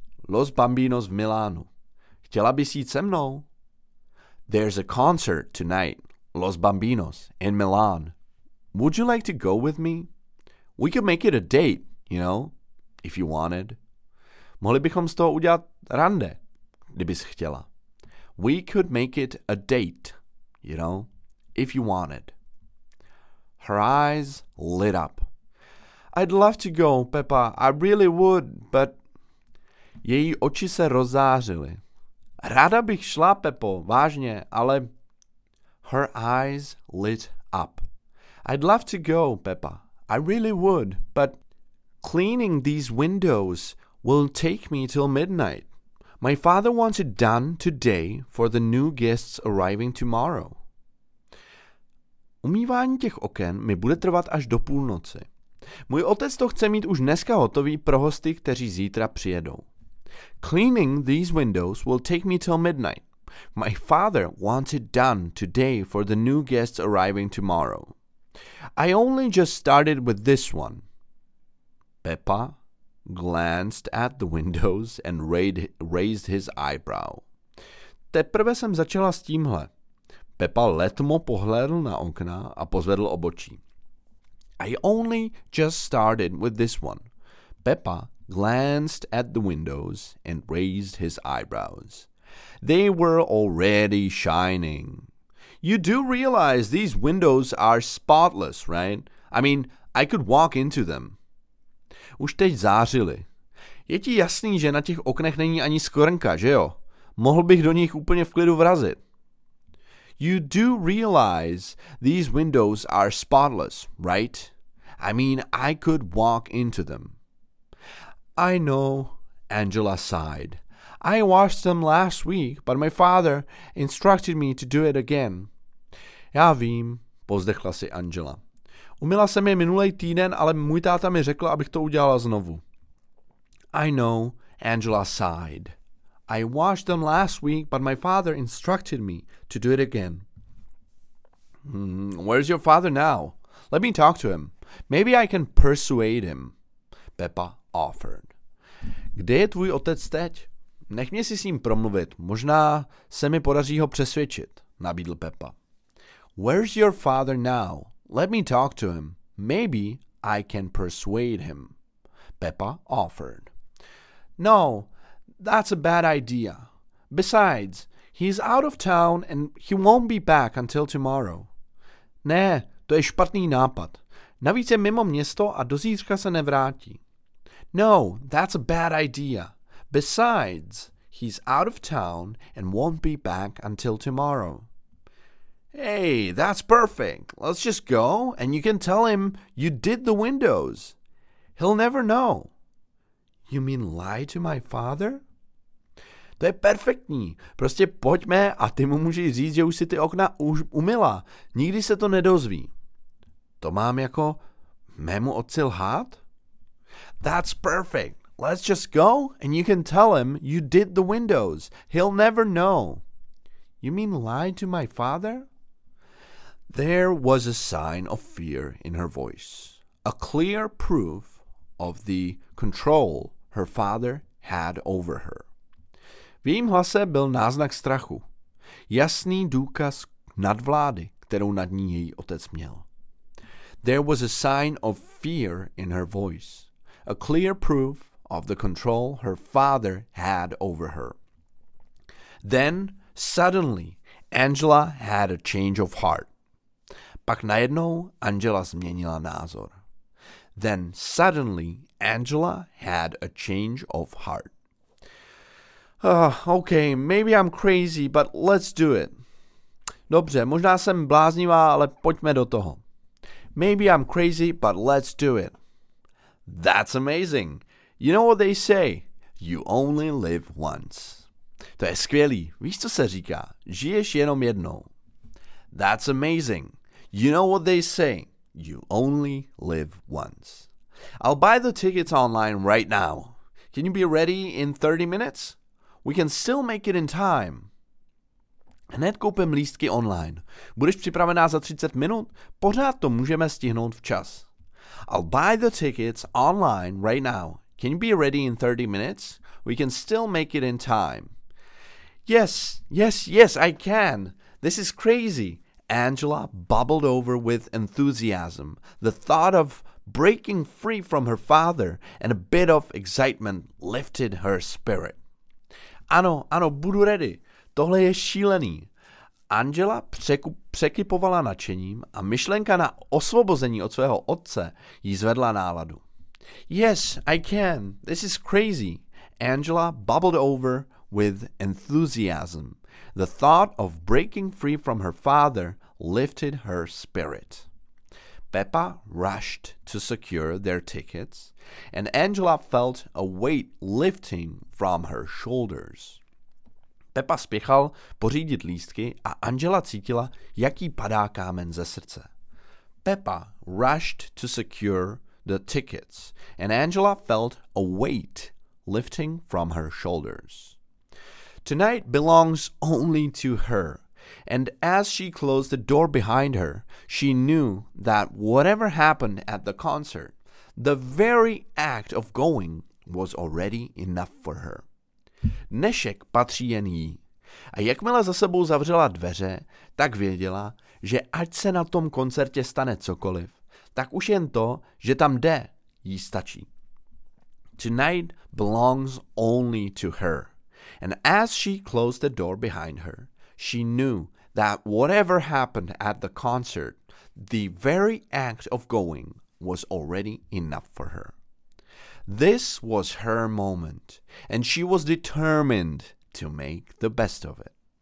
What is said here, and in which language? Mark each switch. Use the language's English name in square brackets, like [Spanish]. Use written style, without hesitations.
[Czech] Los Bambinos v Milánu. Chtěla bys jít se mnou? [English] There's a concert tonight. Los Bambinos in Milan. Would you like to go with me? We could make it a date, you know, if you wanted. [Czech] Mohli bychom z toho udělat rande, kdybys chtěla. [English] We could make it a date, you know, if you wanted. Her eyes lit up. I'd love to go, Pepa. I really would, but... [Czech] Její oči se rozzářily. Ráda bych šla, Pepo, vážně, ale... [English] Her eyes lit up. I'd love to go, Pepa. I really would, but... Cleaning these windows will take me till midnight. My father wants it done today for the new guests arriving tomorrow. [Czech] Umývání těch oken mi bude trvat až do půlnoci. Můj otec to chce mít už dneska hotový pro hosty, kteří zítra přijedou. [English] Cleaning these windows will take me till midnight. My father wants it done today for the new guests arriving tomorrow. I only just started with this one. Pepa glanced at the windows and raised his eyebrow. [Czech] Teprve jsem začala s tímhle. Pepa letmo pohlédl na okna a pozvedl obočí. [English] I only just started with this one. Pepa glanced at the windows and raised his eyebrows. They were already shining. You do realize these windows are spotless, right? I mean, I could walk into them. [Czech] Už teď zářili. Je ti jasný, že na těch oknech není ani skvrnka, že jo? Mohl bych do nich úplně v klidu vrazit. [English] You do realize these windows are spotless, right? I mean, I could walk into them. I know, Angela sighed. I washed them last week, but my father instructed me to do it again. [Czech] Já vím, pozdechla si Angela. Umila jsem je minulej týden, ale můj táta mi řekl, abych to udělala znovu. [English] I know, Angela sighed. I washed them last week, but my father instructed me to do it again. Where's your father now? Let me talk to him. Maybe I can persuade him, Peppa offered. [Czech] Kde je tvůj otec teď? Nech mě si s ním promluvit, možná se mi podaří ho přesvědčit, nabídl Peppa. [English] Where's your father now? Let me talk to him. Maybe I can persuade him, Peppa offered. No, that's a bad idea. Besides, he's out of town and he won't be back until tomorrow. [Czech] Ne, to je špatný nápad. Navíc je mimo město a do zítřka se nevrátí. [English] No, that's a bad idea. Besides, he's out of town and won't be back until tomorrow. Hey, that's perfect. Let's just go and you can tell him you did the windows. He'll never know. You mean lie to my father? [Czech] To je perfektní. Prostě pojďme a ty mu můžeš říct, že už si ty okna už umyla. Nikdy se to nedozví. To mám jako mému otci lhát? [English] That's perfect. Let's just go and you can tell him you did the windows. He'll never know. You mean lie to my father? There was a sign of fear in her voice. A clear proof of the control her father had over her. [Czech] V jejím hlase byl náznak strachu. Jasný důkaz nadvlády, kterou nad ní její otec měl. [English] There was a sign of fear in her voice. A clear proof of the control her father had over her. Then, suddenly, Angela had a change of heart. [Czech] Pak najednou Angela změnila názor. [English] Then suddenly Angela had a change of heart. Okay, maybe I'm crazy, but let's do it. [Czech] Dobře, možná jsem bláznivá, ale pojďme do toho. [English] Maybe I'm crazy, but let's do it. That's amazing. You know what they say? You only live once. [Czech] To je skvělý. Víš, co se říká? Žiješ jenom jednou. [English] That's amazing. You know what they say? You only live once. I'll buy the tickets online right now. Can you be ready in 30 minutes? We can still make it in time. [Czech] Hned koupím lístky online. Budeš připravená za 30 minut? Pořád to můžeme stihnout včas. [English] I'll buy the tickets online right now. Can you be ready in 30 minutes? We can still make it in time. Yes, yes, yes, I can. This is crazy. Angela bubbled over with enthusiasm. The thought of breaking free from her father and a bit of excitement lifted her spirit. [Czech] Ano, ano, budu ready. Tohle je šílený. Angela překypovala nadšením a myšlenka na osvobození od svého otce jí zvedla náladu. [English] Yes, I can. This is crazy. Angela bubbled over with enthusiasm. The thought of breaking free from her father lifted her spirit. Peppa rushed to secure their tickets, and Angela felt a weight lifting from her shoulders. [Czech] Peppa spěchal pořídit lístky a Angela cítila, jak jí padá kámen ze srdce. [English] Peppa rushed to secure the tickets, and Angela felt a weight lifting from her shoulders. Tonight belongs only to her, and as she closed the door behind her, she knew that whatever happened at the concert, the very act of going was already enough for her. [Czech] Dnešek patří jen jí. A jakmile za sebou zavřela dveře, tak věděla, že ať se na tom koncertě stane cokoliv, tak už jen to, že tam jde, jí stačí. [English] Tonight belongs only to her. And as she closed the door behind her, she knew that whatever happened at the concert, the very act of going was already enough for her. This was her moment, and she was determined to make the best of it.